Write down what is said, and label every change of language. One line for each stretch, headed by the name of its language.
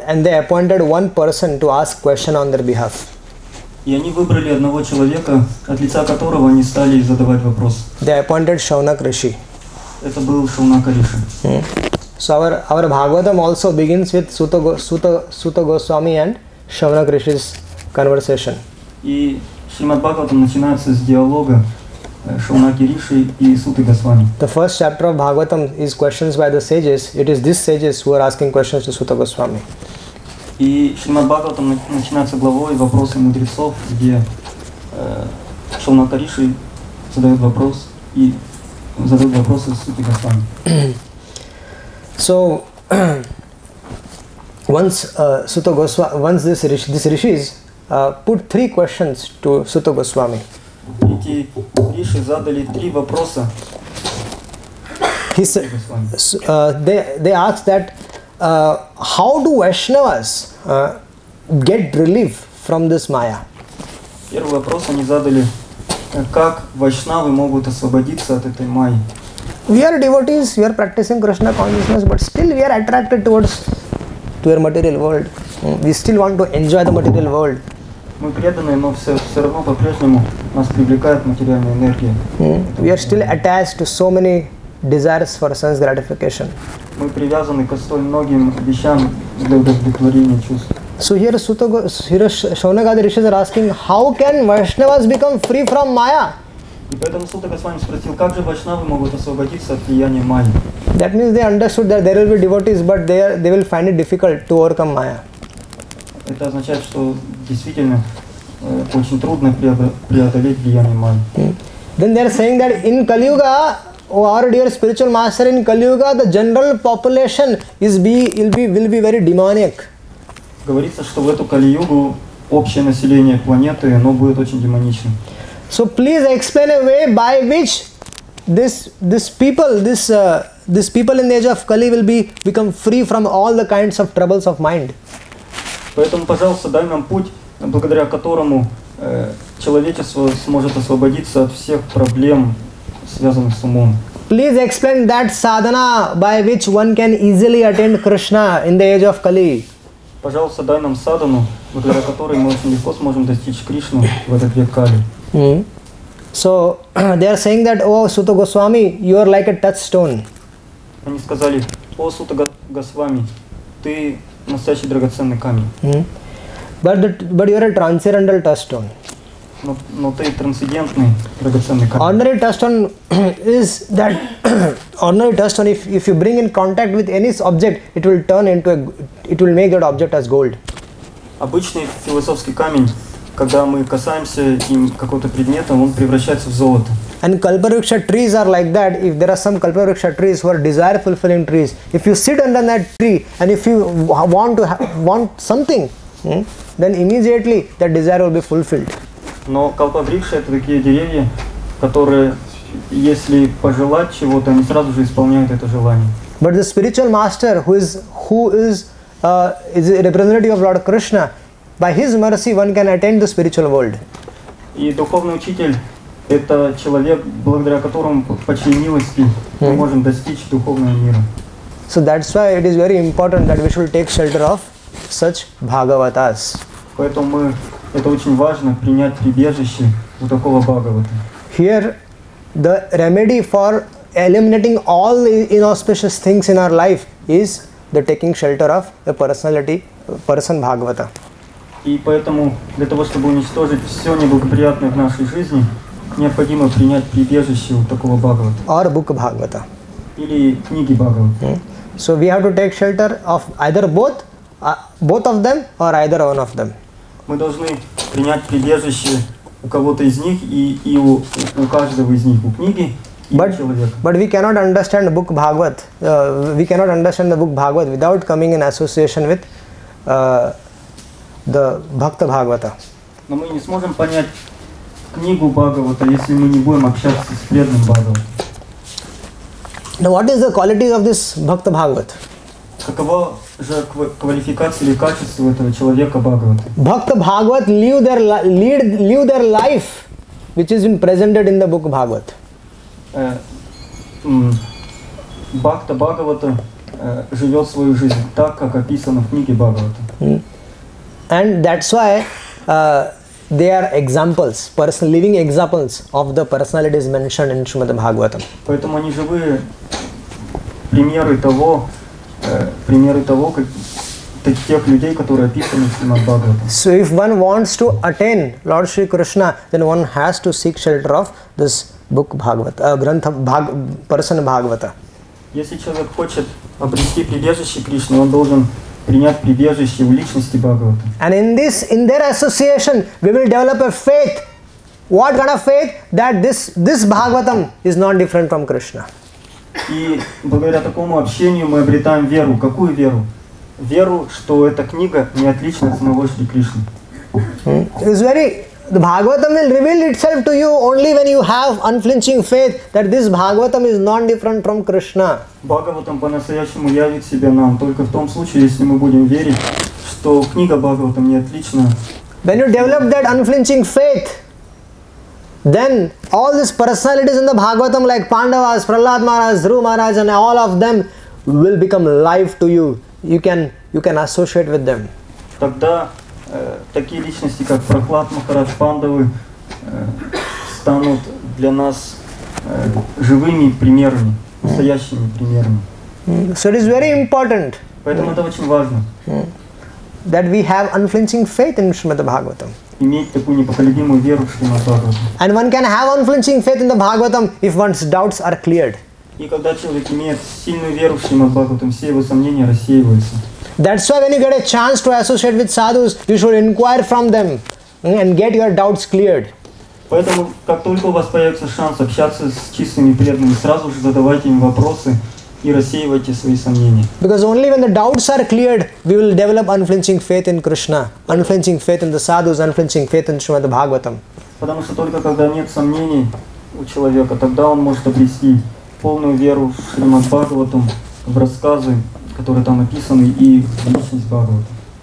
English: And they appointed one person to ask question on their behalf.
Russian: И они выбрали одного человека, от лица которого они стали задавать вопрос.
English: They appointed Shaunak Rishi.
Russian: Это был Шаунака Риши.
English: So our Bhagavatam also begins with Suta Goswami and Shaunak Rishi's conversation.
Russian: И Шримад Бхагаватам начинается с диалога Шаунагириши и Суты Госвами.
English: The first chapter of Bhagavatam is questions by the sages. It is these sages who are asking questions to Сута Госвами.
Russian: И Шримад Бхагаватам начинается главой «Вопросы мудрецов», где Шаунагириши задает вопрос и задает вопросы Суты Госвами.
English: So, once these rishis put three questions to Сута Госвами.
Russian: Эти риши задали три вопроса.
English: They asked that how do Vaishnavas get relief from this Maya?
Russian: Первый вопрос они задали, как Вайшнавы могут освободиться от этой Майи.
English: We are devotees, we are practicing Krishna consciousness, but still we are attracted towards your material world. We still want to enjoy the material world.
Russian: Мы преданные, но все равно по-прежнему нас привлекает материальная энергия.
English: We are still attached to so many desires for sense gratification.
Russian: Мы привязаны к столь многим вещам для удовлетворения чувств.
English: So here Шаунагада Ришис are asking, how can Vaishnavas become free from Maya?
Russian: И поэтому Сута Госвами спросил, как же Вайшнавы могут освободиться от влияния Майи?
English: That means they understood that there will be devotees, but they will find it difficult to overcome Maya.
Russian: Это означает, что действительно очень трудно преодолеть влияние Майи.
English: Then they are saying that in Kali Yuga, our dear spiritual master, in Kali Yuga, the general population will be very demonic.
Russian: Говорится, что в эту Кали-Югу общее население планеты, оно будет очень демоничным.
English: So please explain a way by which this people in the age of Kali will become free from all the kinds of troubles of mind.
Russian: Поэтому, пожалуйста, дай нам путь, благодаря которому человечество сможет освободиться от всех проблем, связанных с умом.
English: Please explain that sadhana by which one can easily attain Krishna in the age of Kali.
Russian: Пожалуйста, дай нам садхану, благодаря которой мы очень легко сможем достичь Кришну в этот век Кали.
English: So they are saying that, oh Suta Goswami, you are like a touchstone.
Russian: Они сказали, о Сута Госвами, ты настоящий драгоценный камень.
English: But you are a transcendental touchstone.
Russian: Но ты трансцендентный драгоценный камень.
English: Ordinary touchstone is that ordinary touchstone. If you bring in contact with any object, it will make that object as gold.
Russian: Обычный философский камень. Когда мы касаемся им какого-то предмета, он превращается в золото.
English: And kalparuksha trees are like that. If there are some kalparuksha trees who are desire fulfilling trees, if you sit under that tree and if you want something, then immediately that desire will be fulfilled.
Russian: Но kalparuksha это такие деревья, которые, если пожелать чего-то, они сразу же исполняют это желание.
English: But the spiritual master who is a representative of Lord Krishna. By his mercy, one can attain the spiritual world.
Russian: И духовный учитель это человек, благодаря которому по чьей милости мы можем достичь духовного мира.
English: So that's why it is very important that we should take shelter of such Bhagavatas.
Russian: Поэтому мы это очень важно принять прибежище у такого Бхагавата.
English: Here, the remedy for eliminating all inauspicious things in our life is the taking shelter of a personality, person Bhagavata.
Russian: И поэтому для того, чтобы уничтожить все неблагоприятное в нашей жизни, необходимо принять прибежище у такого Бхагавата.
English: Or book Bhagavata.
Russian: Или книги Бхагавата.
English: So we have to take shelter of either both of them or either one of them.
Russian: Мы должны принять прибежище у кого-то из них и у каждого из них, у книги и у человека.
English: But we cannot understand book Bhagavata. We cannot understand the book Bhagavata without coming in association with the Bhakta Bhagavata.
Russian: Но мы не сможем понять книгу Бхагавата, если мы не будем общаться с преданным Бхагаватом.
English: Now what is the quality of this Bhakta Bhagavata?
Russian: Какова же квалификация или качество этого человека Бхагавата?
English: Bhakta Bhagavata live their life, which is been presented in the book Bhagavata.
Russian: Bhakta Bhagavata живет свою жизнь так, как описано в книге Бхагавата.
English: And that's why they are examples, personal living examples of the personalities mentioned in Srimad Bhagavatam.
Russian: Поэтому они живые примеры того, как тех людей, которые описаны в Шримад Бхагаватам.
English: So if one wants to attain Lord Shri Krishna, then one has to seek shelter of this book Bhagavata, grantha person Bhagavata.
Russian: Если человек хочет обрести прибежище Кришны, он должен принять прибежище у личности Бхагавата.
English: And in this, in their association, we will develop a faith. What kind of faith? That this Bhagavatam is not different from Krishna.
Russian: И благодаря такому общению мы обретаем веру. Какую веру? Веру, что эта книга не отлична от самого Шри Кришны.
English: It's very... The Bhagavatam will reveal itself to you only when you have unflinching faith that this Bhagavatam is non-different from Krishna.
Russian: Bhagavatam по-настоящему явит себя нам только в том случае, если мы будем верить, что книга Бхагаватам не отлична.
English: When you develop that unflinching faith, then all these personalities in the Bhagavatam like Pandavas, Prahlad Maharaj, Dhruva Maharaj and all of them will become life to you. You can associate with them.
Russian: Тогда такие личности, как Прохлад Махарадж, Пандавы, станут для нас живыми примерами, настоящими примерами.
English: So it is very important.
Russian: Поэтому это очень важно.
English: That we have unflinching faith in Shrimad Bhagavatam.
Russian: Иметь такую непоколебимую веру в Shrimad Bhagavatam.
English: And one can have unflinching faith in the Bhagavatam if one's doubts are cleared.
Russian: И когда человек имеет сильную веру в Shrimad Bhagavatam, все его сомнения рассеиваются.
English: That's why when you get a chance to associate with sadhus, you should inquire from them and get your doubts cleared.
Russian: Поэтому, как только у вас появится шанс общаться с чистыми преданными, сразу же задавайте им вопросы и рассеивайте свои сомнения.
English: Because only when the doubts are cleared, we will develop unflinching faith in Krishna, unflinching faith in the sadhus, unflinching faith in Shrimad Bhagavatam.
Russian: Потому что только когда нет сомнений у человека, тогда он может обрести полную веру в Шримад Бхагаватам, в рассказы, которые там описаны, и личность Бхагавата.